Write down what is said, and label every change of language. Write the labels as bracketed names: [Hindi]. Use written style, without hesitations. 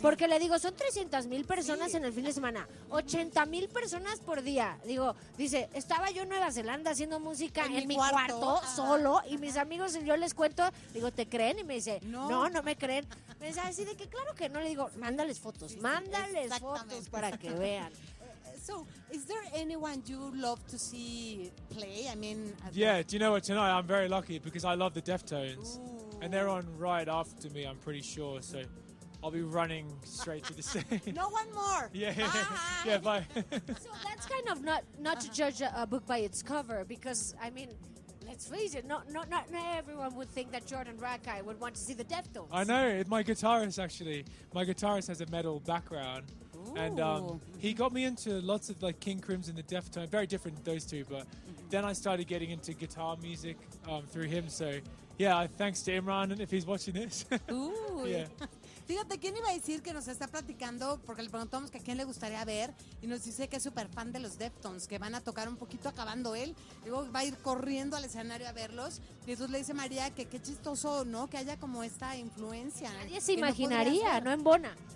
[Spanish] Porque le digo, son 300,000 personas en el fin de semana, 80,000 personas por día. Digo, dice, estaba yo en Nueva Zelanda haciendo música en mi cuarto, solo. Mis amigos, yo les cuento, digo, ¿te creen? Y me dice, no me creen. Me dice así de que claro que no, le digo, mándales fotos para que vean. [English] So, is there anyone you love to see play? I mean... Do you know what? Tonight I'm very lucky because I love the Deftones. Ooh. And they're on right after me, I'm pretty sure. So, I'll be running straight to the stage. No one more. Yeah, bye. So, that's kind of not to judge a book by its cover because, I mean... Let's face it, not everyone would think that Jordan Rakai would want to see the Deftones. I know, my guitarist has a metal background. Ooh. And he got me into lots of like King Crimson, the Deftones, very different those two, but then I started getting into guitar music through him, so yeah, thanks to Imran if he's watching this. Ooh. Yeah. [Spanish] Fíjate, ¿quién iba a decir que nos está platicando? Porque le preguntamos que a quién le gustaría ver y nos dice que es súper fan de los Deftones, que van a tocar un poquito acabando él. Luego va a ir corriendo al escenario a verlos y entonces le dice María que qué chistoso, ¿no? Que haya como esta influencia. Nadie se imaginaría, no en Bona.